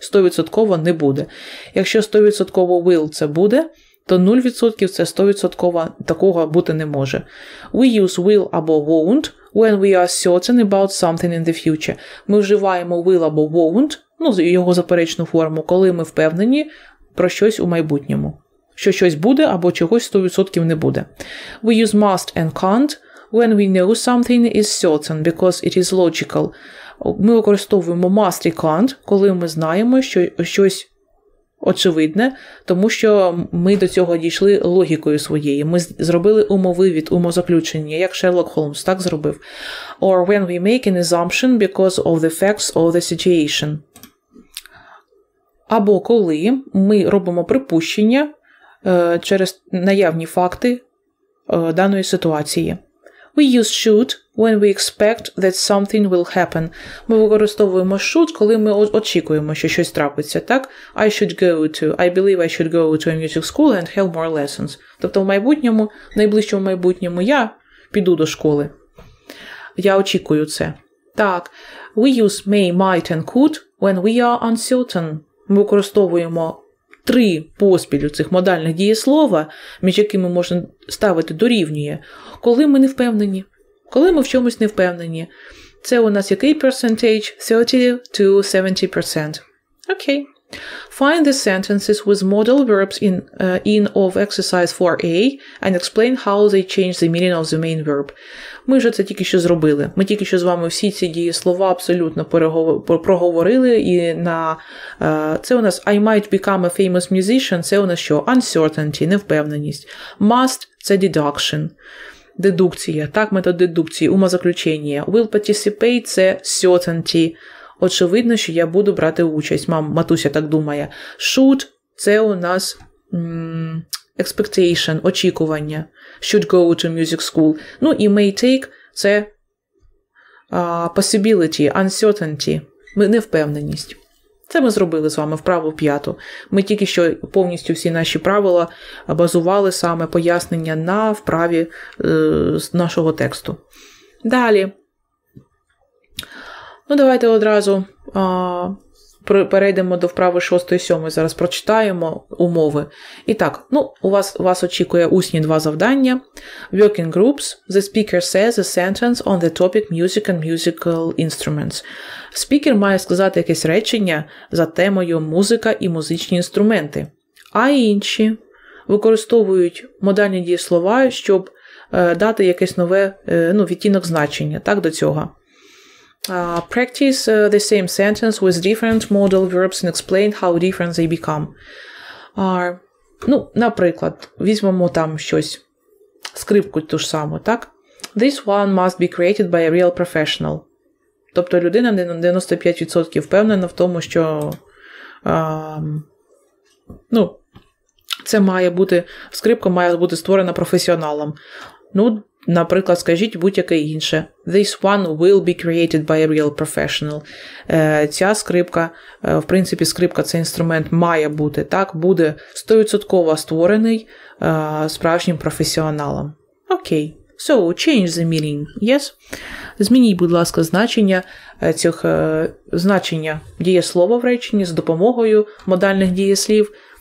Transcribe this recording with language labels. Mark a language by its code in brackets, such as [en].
[uk] 100% не буде. Якщо 100% will – це буде, то 0% – це 100% такого бути не може. [en] We use will [uk] або [en] won't when we are certain about something in the future. [uk] Ми вживаємо will або won't, ну, його заперечну форму, коли ми впевнені про щось у майбутньому. Що щось буде або чогось 100% не буде. [en] We use must and can't when we know something is certain because it is logical. [uk] Ми використовуємо must і can't, коли ми знаємо, що щось очевидне, тому що ми до цього дійшли логікою своєю. Ми зробили умовивід, умозаключення, як Шерлок Холмс так зробив. [en] Or when we make an assumption because of the facts of the situation. [uk] Або коли ми робимо припущення через наявні факти даної ситуації. [en] We use should when we expect that something will happen. [uk] Ми використовуємо should, коли ми очікуємо, що щось трапиться, так? [en] I should go to, I believe I should go to a music school and have more lessons. [uk] Тобто в майбутньому, в найближчому майбутньому я піду до школи. Я очікую це. Так, [en] we use may, might and could when we are uncertain. [uk] Ми використовуємо три поспіль цих модальних дієслова, між якими можна ставити дорівнює, коли ми не впевнені. Коли ми в чомусь не впевнені. Це у нас який percentage? 30-70%. Окей. [en] Find the sentences with modal verbs in of exercise 4a and explain how they change the meaning of the main verb. [uk] Ми вже це тільки що зробили. Ми тільки що з вами всі ці дієслова абсолютно проговорили. І на, це у нас [en] I might become a famous musician. [uk] Це у нас що? Uncertainty, невпевненість. Must – це deduction. Дедукція. Так, метод дедукції, умозаключення. [en] Will participate – це certainty. [uk] Очевидно, що я буду брати участь. Матуся так думає. Should – це у нас expectation, очікування. [en] Should go to music school. [uk] Ну і [en] may take – це possibility, uncertainty, невпевненість. [uk] Це ми зробили з вами вправу п'яту. Ми тільки що повністю всі наші правила базували саме пояснення на вправі з нашого тексту. Далі. Ну, давайте одразу перейдемо до вправи 6 і 7. Зараз прочитаємо умови. І так, ну, у вас очікує усні два завдання. [en] Working groups. The speaker says a sentence on the topic music and musical instruments. [uk] Спікер має сказати якесь речення за темою музика і музичні інструменти. А інші використовують модальні дієслова, щоб дати якесь нове, ну, відтінок значення. Так, до цього. [en] Practice the same sentence with different modal verbs and explain how different they become. [uk] Ну, наприклад, візьмемо там щось, скрипку ту ж саму, так? [en] This one must be created by a real professional. [uk] Тобто людина на 95% впевнена в тому, що ну, це має бути, скрипка має бути створена професіоналом. Ну, наприклад, скажіть будь-яке інше. [en] This one will be created by a real professional. [uk] Ця скрипка, в принципі, скрипка, цей інструмент має бути, так, буде 100% створений справжнім професіоналом. Окей. [en] So, change the meaning, yes? [uk] Змініть, будь ласка, значення цих значення дієслова в реченні з допомогою модальних дієслів.